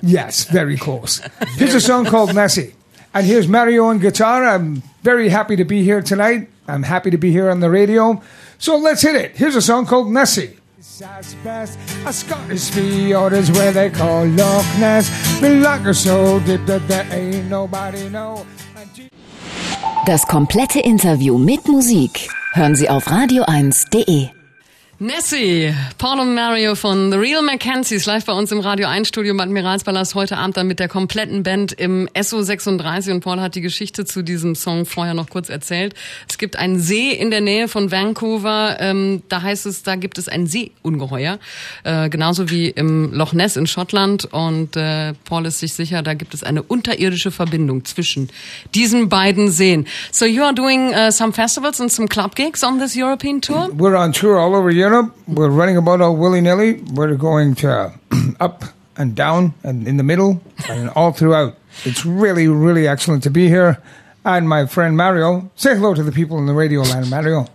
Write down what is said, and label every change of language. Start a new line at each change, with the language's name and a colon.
English: Yes, very close. Here's a song called Nessie. And here's Mario on guitar. I'm very happy to be here tonight. I'm happy to be here on the radio. So let's hit it. Here's a song called Nessie. It's best. A Scottish fjord is where they call Loch Ness. The lock is so deep that there ain't nobody know.
German: Das komplette Interview mit Musik hören Sie auf radio1.de. Nessie, Paul und Mario von The Real McKenzies, live bei uns im Radio 1 Studio im Admiralspalast, heute Abend dann mit der kompletten Band im SO 36 und Paul hat die Geschichte zu diesem Song vorher noch kurz erzählt. Es gibt einen See in der Nähe von Vancouver, da heißt es, da gibt es ein Seeungeheuer, genauso wie im Loch Ness in Schottland und Paul ist sich sicher, da gibt es eine unterirdische Verbindung zwischen diesen beiden Seen.
English: So you are doing some festivals and some club gigs on this European tour? We're on tour all over Europe. We're running about all willy-nilly. We're going to up and down and in the middle and all throughout. It's really, really excellent to be here. And my friend Mario, say hello to the people in the radio land, Mario.